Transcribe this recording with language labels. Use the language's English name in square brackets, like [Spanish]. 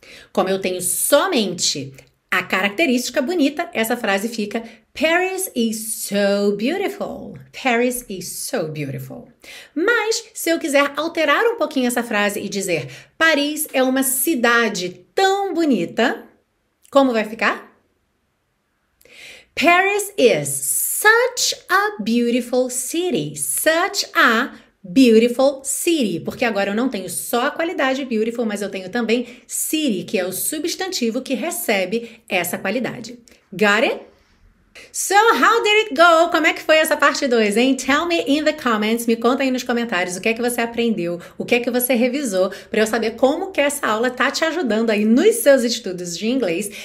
[Portuguese] Como eu tenho somente a característica bonita, essa frase fica [English] Paris is so beautiful. Paris is so beautiful. [Portuguese] Mas se eu quiser alterar um pouquinho essa frase e dizer Paris é uma cidade tão bonita, como vai ficar? [English] Paris is such a beautiful city. Such a beautiful city, [Portuguese] porque agora eu não tenho só a qualidade beautiful, mas eu tenho também city, que é o substantivo que recebe essa qualidade. [English] Got it? So, how did it go? [Portuguese] Como é que foi essa parte 2, hein? [English] Tell me in the comments, [Portuguese] me conta aí nos comentários o que é que você aprendeu, o que é que você revisou, para eu saber como que essa aula tá te ajudando aí nos seus estudos de inglês.